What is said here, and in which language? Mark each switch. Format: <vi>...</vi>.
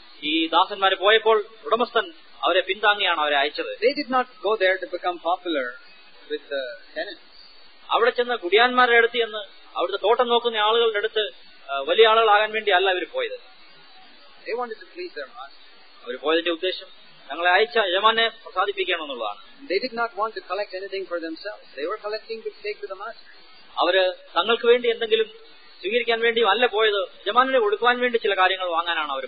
<ml>ഈ ദാസന്മാരെ പോയപ്പോൾ ഉടമസ്ഥൻ അവരെ പിന്താങ്ങിയാണ് അവരെ അയച്ചത്.</ml> <en>They did not go there to become popular with the tenants.</en> <ml>അവിടെ ചെന്ന് കുടിയാന്മാരുടെ അടുത്ത് ചെന്ന് അവിടുത്തെ തോട്ടം നോക്കുന്ന ആളുകളുടെ അടുത്ത് വലിയ ആളുകളാകാൻ വേണ്ടി അല്ല അവർ പോയത്.</ml> <en>They wanted to please their master.</en> <ml>അവർ പോയതിന്റെ ഉദ്ദേശം ഞങ്ങളെ അയച്ച യജമാനെ പ്രസാദിപ്പിക്കണം എന്നുള്ളതാണ്.</ml> <en>They did not want to collect anything for themselves. They were collecting to take to the master.</en> <ml>അവര് തങ്ങൾക്ക് വേണ്ടി എന്തെങ്കിലും സ്വീകരിക്കാൻ വേണ്ടിയും അല്ല പോയത്, യജമാനെ കൊടുക്കുവാൻ വേണ്ടി ചില കാര്യങ്ങൾ വാങ്ങാനാണ് അവർ</ml>